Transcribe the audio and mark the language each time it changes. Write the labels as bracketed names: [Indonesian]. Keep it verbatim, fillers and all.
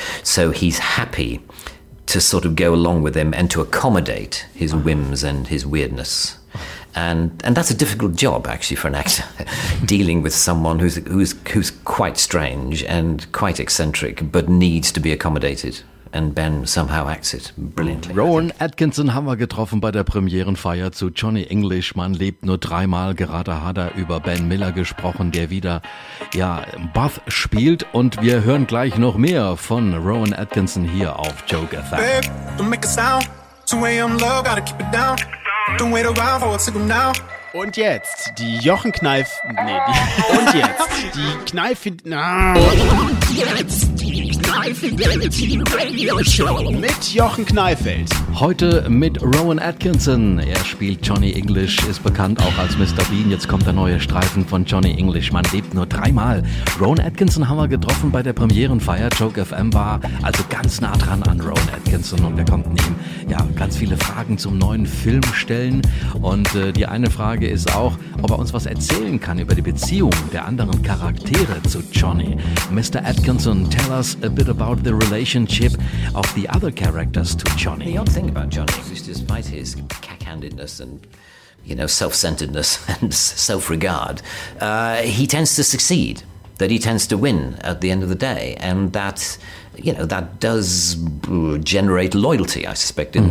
[English] So he's happy to sort of go along with him and to accommodate his whims and his weirdness. And and that's a difficult job, actually, for an actor, dealing with someone who's who's who's quite strange and quite eccentric, but needs to be accommodated. And Ben somehow acts it brilliantly. [German] Rowan Atkinson haben wir getroffen bei der Premierenfeier zu Johnny English. Man lebt nur dreimal. Gerade hat er über Ben Miller gesprochen, der wieder, ja, Boff spielt. Und wir hören gleich noch mehr von Rowan Atkinson hier auf Jokerthon. [English] Babe, don't make a sound. two a.m. low, gotta keep it down. Don't wait around for a signal now. [German] Und jetzt die Jochen Kneif. Nee, die. Und jetzt die Kneif. Na. Und jetzt die Kneif-Radio-Show mit Jochen Kneifeld. Heute mit Rowan Atkinson. Er spielt Johnny English, ist bekannt auch als Mister Bean. Jetzt kommt der neue Streifen von Johnny English. Man lebt nur dreimal. Rowan Atkinson haben wir getroffen bei der Premierenfeier. Joke F M war also ganz nah dran an Rowan Atkinson. Und wir konnten ihm ja ganz viele Fragen zum neuen Film stellen. Und äh, die eine Frage ist auch, ob er uns was erzählen kann über die Beziehung der anderen Charaktere zu Johnny. [English] Mister Atkinson, tell us a bit about the relationship of the other characters to Johnny. The odd thing about Johnny is, despite his cack-handedness and, you know, self-centeredness and self-regard, uh, he tends to succeed. That he tends to win at the end of the day, and that, you know, that does generate loyalty, I suspect, in mm-hmm.